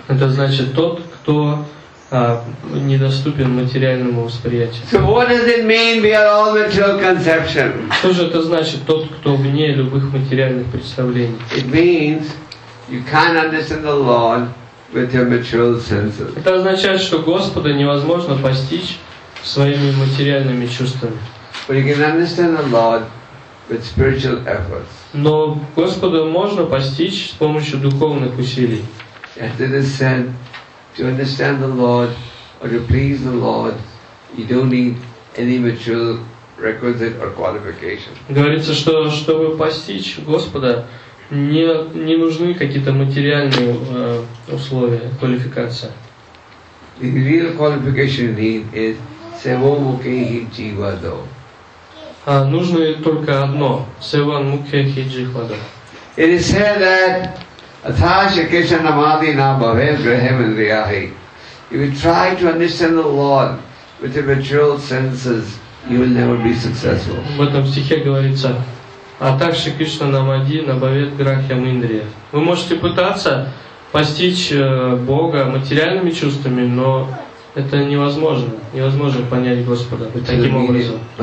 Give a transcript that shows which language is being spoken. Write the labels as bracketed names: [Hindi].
[Russian] Это значит тот, кто недоступен материальному восприятию. [English] So what does it mean beyond all material conception? [Russian] Что же это значит тот, кто вне любых материальных представлений? [English] It means you can't understand the Lord with your material senses. [Russian] Это означает, что Господа невозможно постичь своими материальными чувствами. [English] But you can understand the Lord with spiritual efforts. [Russian] Но Господа можно постичь с помощью духовных усилий. [English] As it is said, to understand the Lord or to please the Lord, you don't need any material requisite or qualification. [Russian] Говорится, что чтобы постичь Господа, не нужны какие-то материальные условия, квалификация. [English] The real qualification you need is [Sanskrit] Севан мукхехи джихвадо. [Russian] Нужно только одно. [Sanskrit] Севан мукхехи джихвадо. [English] It is said that [Sanskrit] Атхаша Кришна Намади Набавел Грахем Индрияхи. [English] If you try to understand the Lord with your material senses, you will never be successful. [Russian] В этом стихе говорится [Sanskrit] Атхаша Кришна Намади Набавел Грахем Индрия. [Russian] Вы можете пытаться постичь Бога материальными чувствами, но это невозможно. Невозможно понять Господа таким образом.